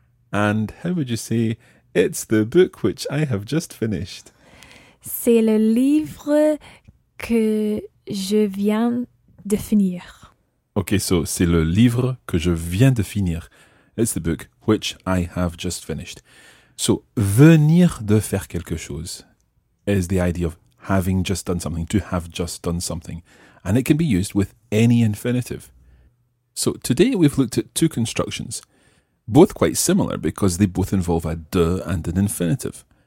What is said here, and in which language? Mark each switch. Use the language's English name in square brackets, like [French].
[English] And how would you say, it's the book which I have just finished? [French] C'est le livre que je viens de finir. Okay, so, c'est le livre que je viens de finir. [English] It's the book which I have just finished. So, [French] venir de faire quelque chose [English] is the idea of having just done something, to have just done something. And it can be used with any infinitive. So today we've looked at two constructions, both quite similar because they both involve a de and an infinitive.